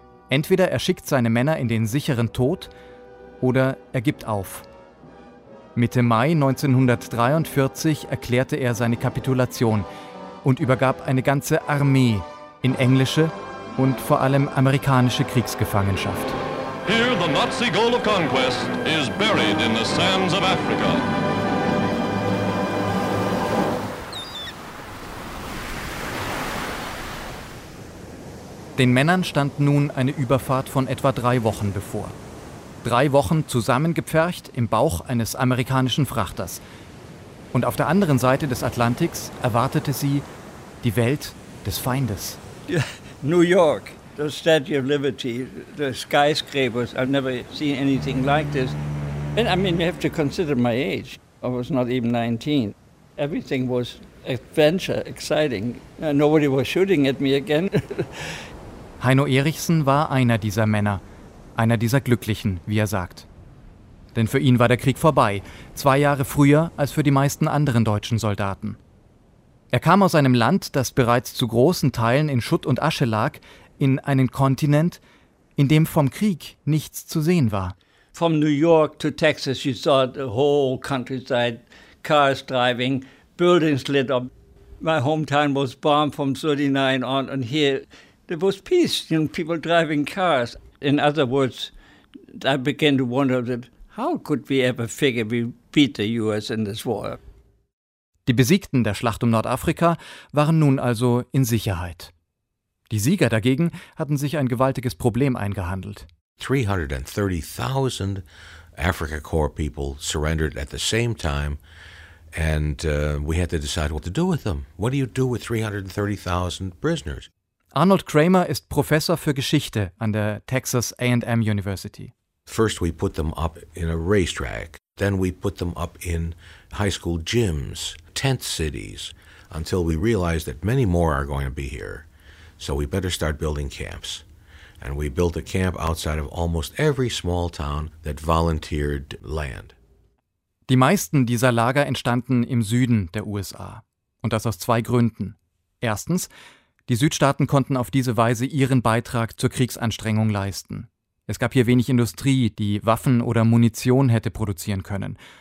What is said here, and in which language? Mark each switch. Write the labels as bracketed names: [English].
[German] Entweder er schickt seine Männer in den sicheren Tod oder er gibt auf. Mitte Mai 1943 erklärte er seine Kapitulation und übergab eine ganze Armee in englische und vor allem amerikanische Kriegsgefangenschaft. [English] Here the Nazi goal of conquest is buried in the sands of Africa. [German] Den Männern stand nun eine Überfahrt von etwa 3 Wochen bevor. 3 Wochen zusammengepfercht im Bauch eines amerikanischen Frachters. Und auf der anderen Seite des Atlantiks erwartete sie die Welt des Feindes. [English] New York, the Statue of Liberty, the skyscrapers, I've never seen anything like this. And I mean, you have to consider my age. I was not even 19. Everything was adventure, exciting. Nobody was shooting at me again. [German] Heino Erichsen war einer dieser Männer, einer dieser Glücklichen, wie er sagt. Denn für ihn war der Krieg vorbei, 2 Jahre früher als für die meisten anderen deutschen Soldaten. Er kam aus einem Land, das bereits zu großen Teilen in Schutt und Asche lag, in einen Kontinent, in dem vom Krieg nichts zu sehen war. [English] From New York to Texas, you saw the whole countryside, cars driving, buildings lit up. My hometown was bombed from 39 on, and here there was peace, you know, people driving cars. In other words, I began to wonder that how could we ever figure we beat the US in this war? [German] Die Besiegten der Schlacht um Nordafrika waren nun also in Sicherheit. Die Sieger dagegen hatten sich ein gewaltiges Problem eingehandelt. [English] 330,000 Africa Corps people surrendered at the same time, and we had to decide what to do with them. What do you do with 330,000 prisoners? [German] Arnold Kramer ist Professor für Geschichte an der Texas A&M University. [English] First we put them up in a racetrack, then we put them up in high school gyms, tent cities, until we realize that many more are going to be here. So we better start building camps. And we built a camp outside of almost every small town that volunteered land. [German] Die meisten dieser Lager entstanden im Süden der USA. Und das aus 2 Gründen. Erstens, die Südstaaten konnten auf diese Weise ihren Beitrag zur Kriegsanstrengung leisten. Es gab hier wenig Industrie, die Waffen oder Munition hätte produzieren können.